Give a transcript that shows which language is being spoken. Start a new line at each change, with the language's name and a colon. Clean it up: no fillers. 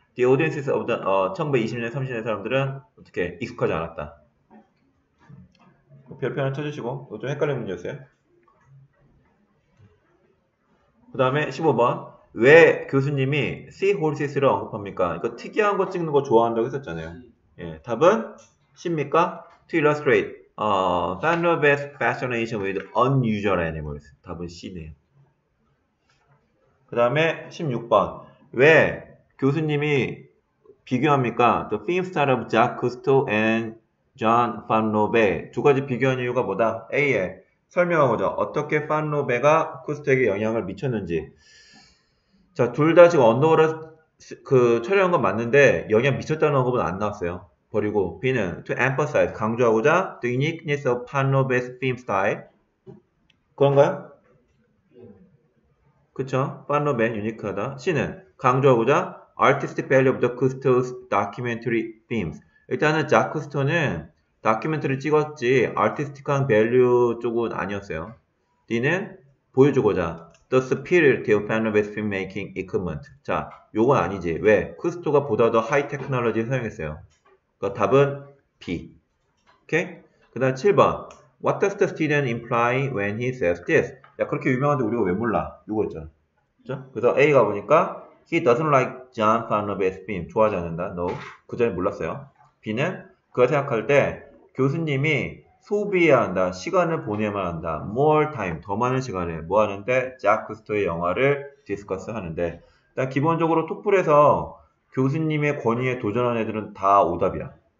English: The audiences of the
Korean: 1920년 30년 사람들은 어떻게 익숙하지 않았다. 별표 하나 쳐주시고. 이거 좀 헷갈리는 문제였어요. 그 다음에 15번. 왜 교수님이 seahorses를 언급합니까? 그러니까 특이한 거 찍는 거 좋아한다고 했었잖아요. 예, 답은 C입니까?
English: To illustrate Fanrobe's fascination with unusual animals.
Korean: 답은 C네요. 그 다음에 16번. 왜 교수님이 비교합니까?
English: The film star of Jacques Cousteau and John Fanrobe.
Korean: 두 가지 비교한 이유가 뭐다? A에 설명하고자 어떻게 팬로베가 쿠스트에게 영향을 미쳤는지. 자, 둘 다 지금 언더워터 그 촬영한 건 맞는데 영향 미쳤다는 언급은 안 나왔어요. 버리고 B는
English: to emphasize
Korean: 강조하고자
English: the uniqueness of 팬로베's film style.
Korean: 그런가요? 그쵸? 팬로베 유니크하다. C는 강조하고자
English: artistic value of the Cousteau's documentary films.
Korean: 일단은 자크 쿠스토는 다큐멘터리를 찍었지 아티스틱한 밸류 쪽은 아니었어요. D는 보여주고자
English: The superiority of Fanrobe's filmmaking equipment.
Korean: 자, 요건 아니지. 왜? 쿠스토가 보다 더 하이 테크놀로지를 사용했어요. 그러니까 답은 B. 오케이? 그 다음 7번
English: What does the student imply when he says this?
Korean: 야, 그렇게 유명한데 우리가 왜 몰라? 요거 있잖아. 그렇죠? 그래서 A가 보니까
English: He doesn't like John Fanrobe's film.
Korean: 좋아하지 않는다.
English: No.
Korean: 그 전에 몰랐어요. B는 그걸 생각할 때 교수님이 소비해야 한다. 시간을 보내야만 한다.
English: More time.
Korean: 더 많은 시간을. 뭐 하는데? 자쿠스토의 영화를 디스커스 하는데. 일단 기본적으로 토플에서 교수님의 권위에 도전한 애들은 다 오답이야.